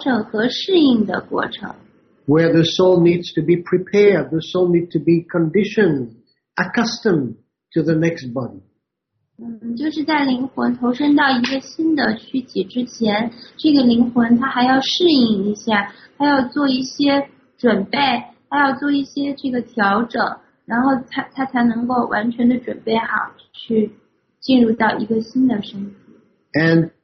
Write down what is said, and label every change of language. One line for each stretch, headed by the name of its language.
Chinese: 刚才说的是立刻投生，那还有一种情况就是说，它还有一个调整和适应的过程。
English: Where the soul needs to be prepared, the soul needs to be conditioned, accustomed to the next body.
Chinese: 就是在灵魂投生到一个新的躯体之前，这个灵魂它还要适应一下，它要做一些准备，它要做一些这个调整。然后他才能够完全的准备好去进入到一个新的身体。
English: And